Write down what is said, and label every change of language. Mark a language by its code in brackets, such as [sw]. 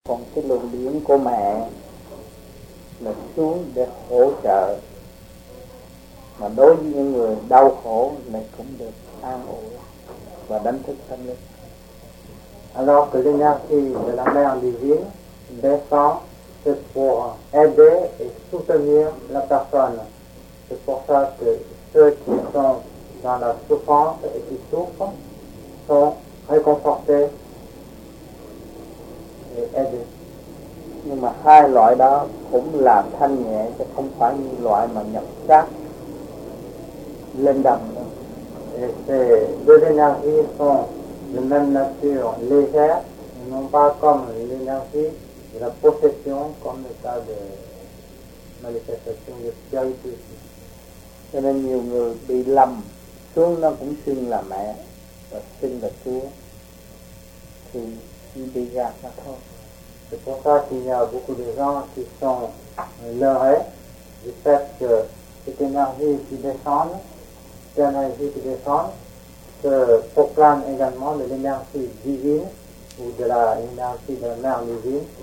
[vi] phòng cái luận điểm của mẹ là xuống để hỗ trợ, mà đối với những người đau khổ mẹ cũng được an ủi và đánh thức tâm linh. [fr] Alors que l'énergie de la mère divine descend, c'est pour aider et soutenir la personne. C'est pour ça que ceux qui sont dans la souffrance et qui souffrent sont réconfortés et aidés. [vi] Nhưng mà hai loại đó cũng là thanh nhẹ, chứ không phải như loại mà nhập xác lên đầm. [fr] Et ces deux énergies sont de même nature légère, et non pas comme l'énergie de la possession, comme le cas de manifestation de spiritisme. [vi] Cho nên nhiều người bị lầm, xuống nó cũng xưng là mẹ và xưng là Chúa, thì chỉ bị gạt mà thôi. [fr] C'est pour ça qu'il y a beaucoup de gens qui sont leurrés du fait que cette énergie qui descend, cette énergie qui descend, se proclame également de l'énergie divine ou de l'énergie de la mère divine.